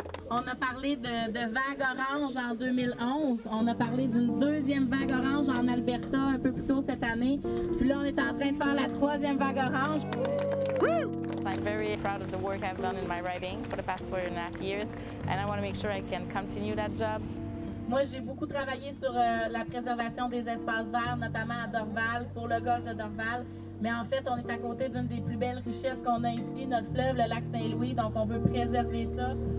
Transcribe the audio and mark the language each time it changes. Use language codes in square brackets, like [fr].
[fr] On a parlé de vague orange en 2011. On a parlé d'une deuxième vague orange en Alberta un peu plus tôt cette année. Puis là, on est en train de faire la troisième vague orange. [en] I'm very proud of the work I've done in my riding for the past 4.5 years, and I want to make sure I can continue that job. [fr] Moi, j'ai beaucoup travaillé sur la préservation des espaces verts, notamment à Dorval, pour le golfe de Dorval. Mais en fait, on est à côté d'une des plus belles richesses qu'on a ici, notre fleuve, le lac Saint-Louis, donc on veut préserver ça.